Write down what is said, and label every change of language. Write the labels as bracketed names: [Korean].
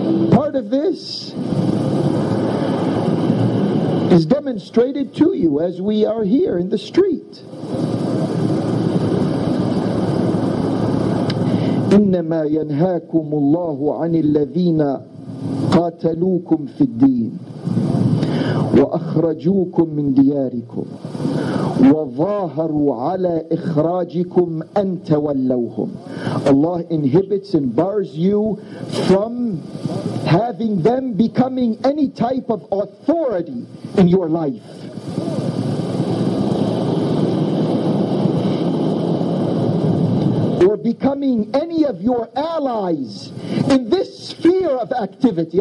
[English] Part of this is demonstrated to you as we are here in the street. [Arabic] إنما ينهاكم الله عن الذين قاتلوكم في الدين وأخرجوكم من دياركم وظاهروا على إخراجكم أن تولوهم. [English] Allah inhibits and bars you from having them becoming any type of authority in your life. Or becoming any of your allies in this sphere of activity.